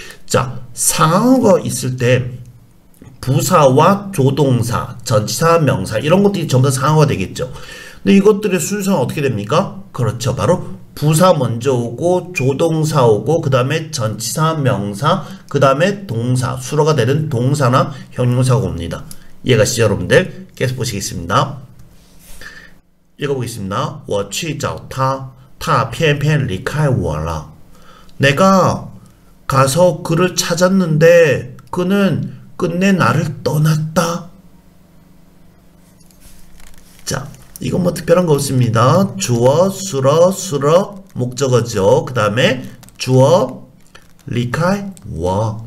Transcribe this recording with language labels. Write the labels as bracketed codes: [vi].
[ko] 자, 상황어 있을 때 부사와 조동사, 전치사, 명사 이런 것들이 전부 다 상황어가 되겠죠. 근데 이것들의 순서는 어떻게 됩니까? 그렇죠, 바로 부사 먼저 오고 조동사 오고 그 다음에 전치사 명사 그 다음에 동사 수로가 되는 동사나 형용사가 옵니다. 이해가시죠, 여러분들? 계속 보시겠습니다. 읽어보겠습니다. [zh] 我去找他，他偏偏离开我了。 [ko] 내가 가서 그를 찾았는데 그는 끝내 나를 떠났다. 이건 뭐 특별한 거 없습니다. 주어, 수러, 수러, 목적어죠. 그 다음에 주어, 리카이, 워.